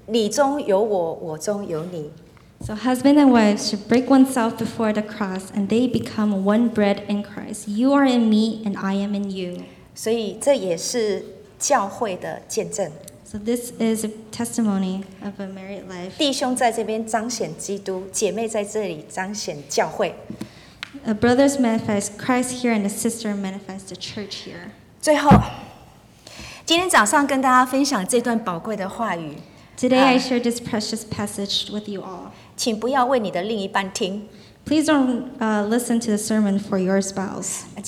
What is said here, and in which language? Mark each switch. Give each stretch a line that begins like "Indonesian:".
Chinese: 所以夫妻呢，在十字架面前破碎自己，在基督里成为一个饼，你中有我，我中有你。
English: So husband and wife should break oneself before the cross, and they become one bread in Christ. You are in me, and I am in you.
Chinese: 所以这也是教会的见证。
English: So this is a testimony of a married life.
Chinese: 弟兄在这边彰显基督，姐妹在这里彰显教会。
English: A brothers manifest Christ here, and a sister manifests the church here.
Chinese: 最后，今天早上跟大家分享这段宝贵的话语。
English: Today I share this precious passage with you all.
Chinese: 请不要为你的另一半听。
English: Please don't listen to the sermon for your spouse.